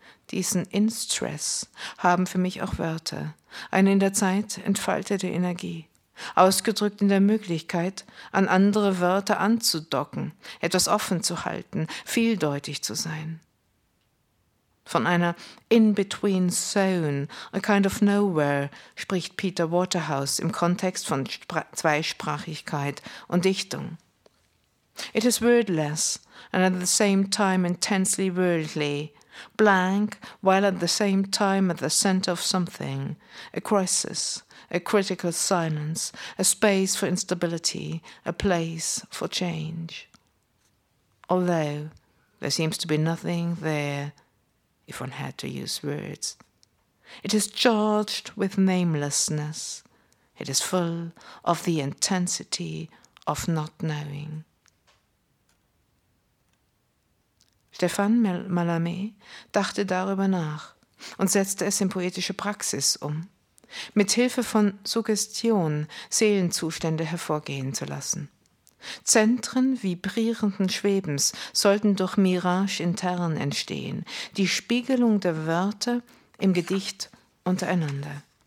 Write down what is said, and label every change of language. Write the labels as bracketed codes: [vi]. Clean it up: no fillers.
[de] Diesen In-Stress haben für mich auch Wörter, eine in der Zeit entfaltete Energie, ausgedrückt in der Möglichkeit, an andere Wörter anzudocken, etwas offen zu halten, vieldeutig zu sein. Von einer In-Between-Zone, [en] a kind of nowhere, [de] spricht Peter Waterhouse im Kontext von Zweisprachigkeit und Dichtung. [en] It is wordless and at the same time intensely worldly, blank while at the same time at the center of something, a crisis, a critical silence, a space for instability, a place for change. Although there seems to be nothing there, if one had to use words. It is charged with namelessness. It is full of the intensity of not knowing. [de] Stefan Mallarmé dachte darüber nach und setzte es in poetische Praxis um, mit Hilfe von Suggestion Seelenzustände hervorgehen zu lassen. Zentren vibrierenden Schwebens sollten durch Mirage intern entstehen, die Spiegelung der Wörter im Gedicht untereinander.